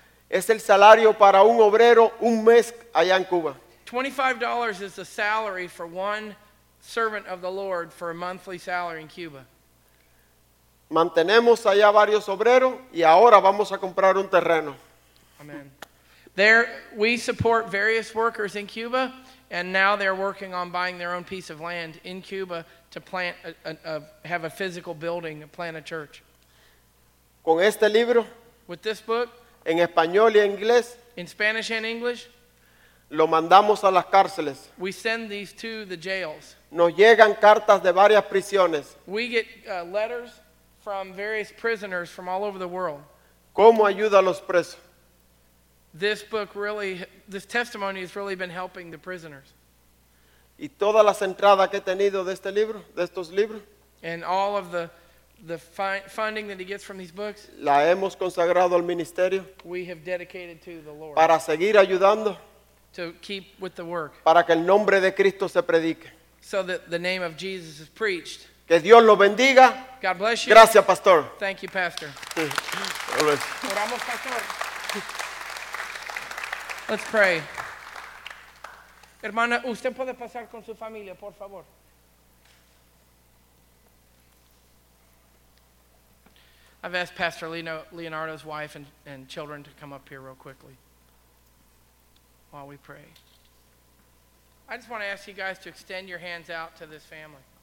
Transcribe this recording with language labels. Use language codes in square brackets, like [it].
[es] Es el salario para un obrero un mes allá en Cuba. [en] $25 is the salary for one servant of the Lord for a monthly salary in Cuba. [es] Mantenemos allá varios obreros y ahora vamos a comprar un terreno. [en] Amen. There, we support various workers in Cuba, and now they're working on buying their own piece of land in Cuba to plant have a physical building, to plant a church. [es] Con este libro, [en] with this book, [es] en español y en inglés, [en] in Spanish and English, [es] lo mandamos a las cárceles. [en] We send these to the jails. [es] Nos llegan cartas de varias prisiones. [en] We get letters from various prisoners from all over the world. [es] ¿Cómo ayuda a los presos? [en] This book really, this testimony has really been helping the prisoners. [es] ¿Y todas las entradas que he tenido de este libro, de estos libros? [en] And all of the funding that he gets from these books. [es] La hemos consagrado al ministerio. [en] We have dedicated to the Lord. [es] Para seguir ayudando. [en] To keep with the work. [es] Para que el nombre de Cristo se predique. [en] So that the name of Jesus is preached. [es] Que Dios lo bendiga. [en] God bless you. [es] Gracias, Pastor. [en] Thank you, Pastor. [es] Oramos, [en] Pastor. Let's pray. [es] Hermana, usted puede pasar con su familia, por favor. [en] I've asked Pastor Leonardo's wife and children to come up here real quickly. While we pray, I just want to ask you guys to extend your hands out to this family.